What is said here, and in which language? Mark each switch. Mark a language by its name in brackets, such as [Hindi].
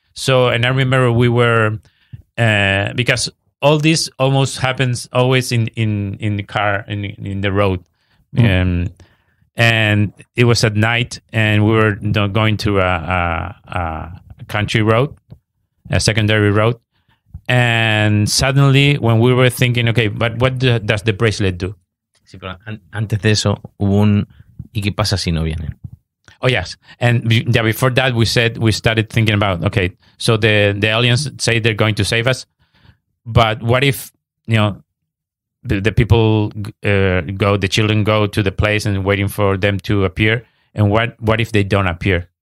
[English] So, and I remember we were, because all this almost happens always in the car, in the road. Mm. And it was at night, and we were going to a country road, a secondary road. And suddenly, when we were thinking, okay, but what does the bracelet do? [Spanish] Sí, pero antes de eso, hubo un, ¿y qué pasa si no vienen? [English] Oh, yes. And before that, we started thinking about, okay, so the aliens say they're going to save us, but what if, the people go, the children go to the place and waiting for them to appear. And what if they don't appear?